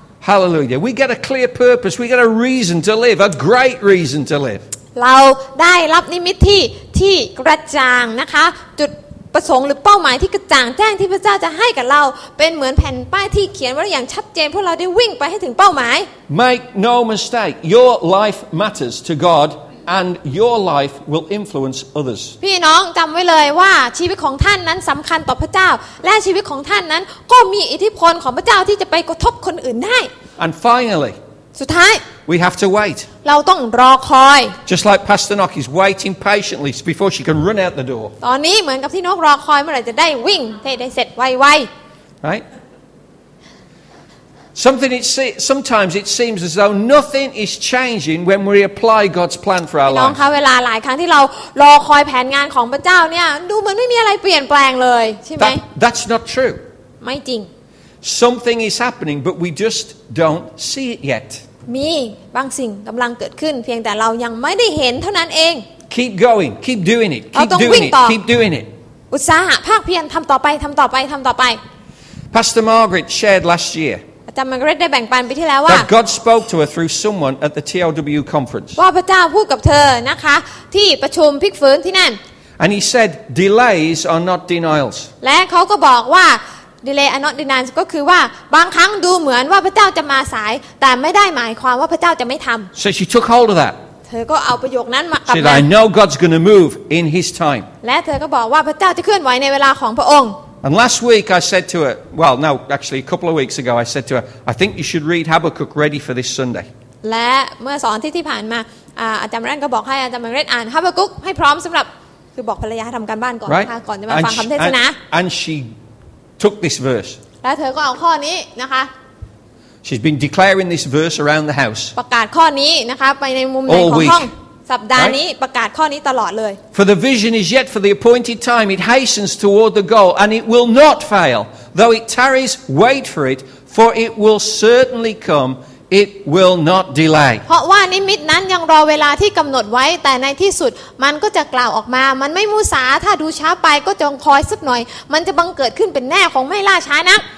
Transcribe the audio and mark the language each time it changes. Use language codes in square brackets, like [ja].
[en] Hallelujah we get a clear purpose we get a reason to live a great reason to live [th] เราได้รับนิมิตที่กระจ่างนะคะจุดประสงค์หรือเป้าหมายที่กระจ่างแจ้งที่พระเจ้าจะให้กับเราเป็นเหมือนแผ่นป้ายที่เขียนไว้อย่างชัดเจนเพื่อเราได้วิ่งไปให้ถึงเป้าหมาย [en] Make no mistake your life matters to GodAnd your life will influence others. [th] พี่น้องจำไว้เลยว่าชีวิตของท่านนั้นสำคัญต่อพระเจ้าและชีวิตของท่านนั้นก็มีอิทธิพลของพระเจ้าที่จะไปกระทบคนอื่นได้ [en] And finally, [th] สุดท้าย [en] we have to wait. [th] เราต้องรอคอย [en] Just like Pastor Nock is waiting patiently before she can run out the door. [th] ตอนนี้เหมือนกับที่นกรอคอยเมื่อไหร่จะได้วิ่งเทได้เสร็จไวๆ [en] Right? Sometimes it seems as though nothing is changing when we apply God's plan for our life. [th] น้องคะเวลาหลายครั้งที่เรารอคอยแผนงานของพระเจ้าเนี่ยดูเหมือนไม่มีอะไรเปลี่ยนแปลงเลยใช่ไหม [en] That's not true. [th] ไม่จริง [en] Something is happening, but we just don't see it yet. [th] มีบางสิ่งกำลังเกิดขึ้นเพียงแต่เรายังไม่ได้เห็นเท่านั้นเอง [en] Keep going. Keep doing it. Keep doing it. Keep doing it. [th] อุตสาหะภาคเพียรทำต่อไปทำต่อไปทำต่อไป [en] Pastor Margaret shared last year. [th] จำมาเกรดได้แบ่งปันไปที่แล้วว่า [en] That God spoke to her through someone at the TLW conference. [th] ว่าพระเจ้าพูดกับเธอนะคะที่ประชุมพลิกฟื้นที่นั่น [en] And he said delays are not denials. [th] และเขาก็บอกว่า [en] delay are not denials [th] ก็คือว่าบางครั้งดูเหมือนว่าพระเจ้าจะมาสายแต่ไม่ได้หมายความว่าพระเจ้าจะไม่ทำ [en] So she took hold of that. [th] เธอก็เอาประโยคนั้นมากับ [en] She said I know God's going to move in His time. [th] และเธอก็บอกว่าพระเจ้าจะเคลื่อนไหวในเวลาของพระองค์ [en] And last week I said to her, well, no, actually a couple of weeks ago I said to her, I think you should read Habakkuk ready for this Sunday. [th] และเมื่อ2 อาทิตย์ที่ผ่านมาอาจารย์แรนก็บอกให้อาจารย์แรนอ่าน Habakkuk ให้พร้อมสำหรับคือบอกภรรยาทำการบ้านก่อนนะคะก่อนจะมาฟังคำเทศนา [en] And she took this verse. [th] และเธอก็เอาข้อนี้นะคะ [en] She's been declaring this verse around the house. [th] ประกาศข้อนี้นะคะไปในมุมไหนของห้องสัปดาห์นี้ประกาศข้อนี้ตลอดเลย [en] For the vision is yet for the appointed time it hastens toward the goal and it will not fail though it tarries wait for it for it will certainly come it will not delay [th] เพราะว่านิมิตนั้นยังรอเวลาที่กำหนดไว้แต่ในที่สุดมันก็จะกล่าวออกมามันไม่มุสาถ้าดูช้าไปก็จงคอยสักหน่อยมันจะบังเกิดขึ้นเป็นแน่ของไม่ล่าช้านัก